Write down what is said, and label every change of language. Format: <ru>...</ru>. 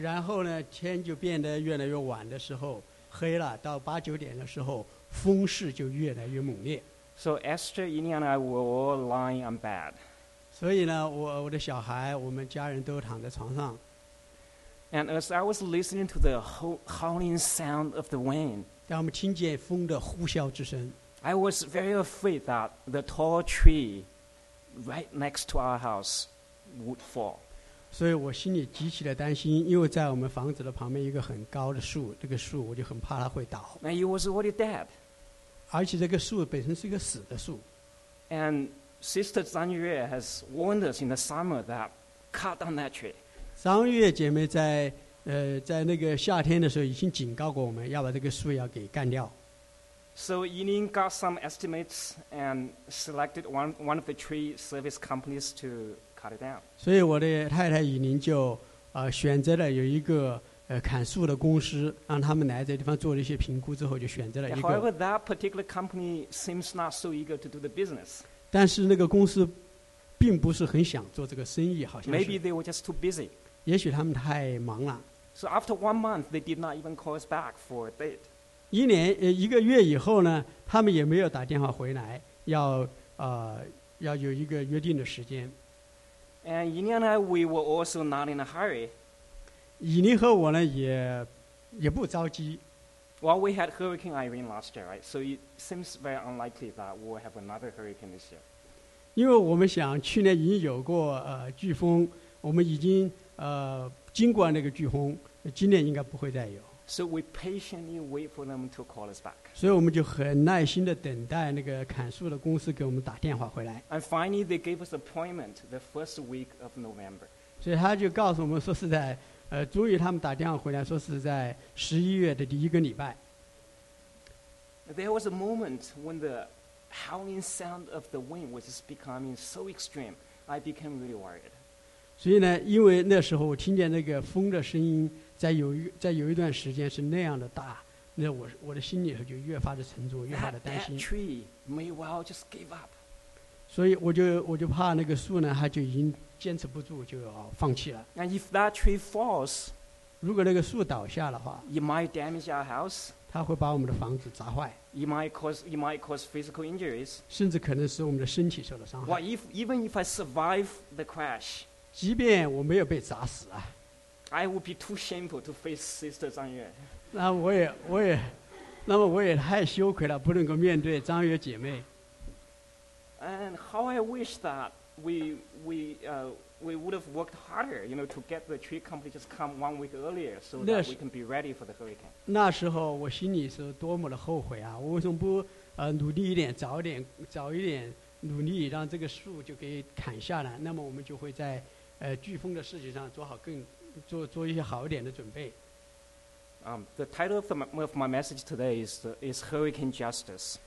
<zh>然后呢，天就变得越来越晚的时候，黑了。到八九点的时候，风势就越来越猛烈。</zh> <en>So Esther, Ini, and I were all lying on bed.</en> <zh>所以呢，我的小孩，我们家人都躺在床上。</zh> <en>And as I was listening to the howling sound of the wind,</en> <zh>当我们听见风的呼啸之声</zh> <en>，I was very afraid that the tall tree. Right next to our house would fall.</en> <zh>所以我心里极其的担心，因为在我们房子的旁边一个很高的树，这个树我就很怕它会倒。</zh> <en>And it was already dead.</en> <zh>而且这个树本身是一个死的树。</zh> <en>And Sister Zhang Yue has warned us in the summer that cut down that tree.</en> <zh>张月姐妹在那个夏天的时候已经警告过我们要把这个树要给干掉。</zh> <en>So Yining got some estimates and selected one of the tree service companies to cut it down.</en> <zh>所以我的太太以琳就选择了有一个砍树的公司，让他们来这地方做了一些评估之后，就选择了一个。</zh> <en>However, that particular company seems not so eager to do the business.</en> <zh>但是那个公司并不是很想做这个生意，好像是。</zh> <en>Maybe they were just too busy.</en> <zh>也许他们太忙了。</zh> <en>So after 1 month, they did not even call us back for a date.</en> <zh>一个月以后呢，他们也没有打电话回来，要有一个约定的时间。</zh> <en>And Yini and I, we were also not in a hurry.</en> <zh>Yini 和我呢也不着急。</zh> <en>Well, we had Hurricane Irene last year, right? So it seems very unlikely that we will have another hurricane this year.</en> <zh>因为我们想去年已经有过飓风，我们已经经过那个飓风，今年应该不会再有。</zh> <en>So we patiently wait for them to call us back.</en> <zh>所以我们就很耐心地等待那个砍树的公司给我们打电话回来。</zh> <en>And finally, they gave us an appointment the first week of November.</en> <zh>所以他就告诉我们说是在终于他们打电话回来说是在十一月的第一个礼拜。</zh> <en>There was a moment when the howling sound of the wind was becoming so extreme, I became really worried.</en> <zh>所以呢，因为那时候我听见那个风的声音在有一段时间是那样的大，那我的心里头就越发的沉重，越发的担心。</zh> <en>That tree may well just give up.</en> <zh>所以我就怕那个树呢，它就已经坚持不住，就要放弃了。</zh> <en>And if that tree falls,</en> <zh>如果那个树倒下的话</zh> <en>，it might damage our house.</en> <zh>它会把我们的房子砸坏。</zh> <en>It might cause physical injuries.</en> <zh>甚至可能使我们的身体受到伤害。</zh> <en>Well, even if I survive the crash,</en> <zh>即便我没有被砸死啊。</zh> <en>I would be too shameful to face Sister Zhang Yue.</en> <zh>那么我也太羞愧了，不能够面对张月姐妹。</zh> <en>And how I wish that we would have worked harder, you know, to get the tree company just come 1 week earlier so that we can be ready for the hurricane.</en> <zh>那时候我心里是多么的后悔啊！我为什么不努力一点，早一点努力让这个树就给砍下来？那么我们就会在飓风的事情上做好更。做一些好一点的准备。</zh> <en>The title of my message today is Hurricane Justice.</en>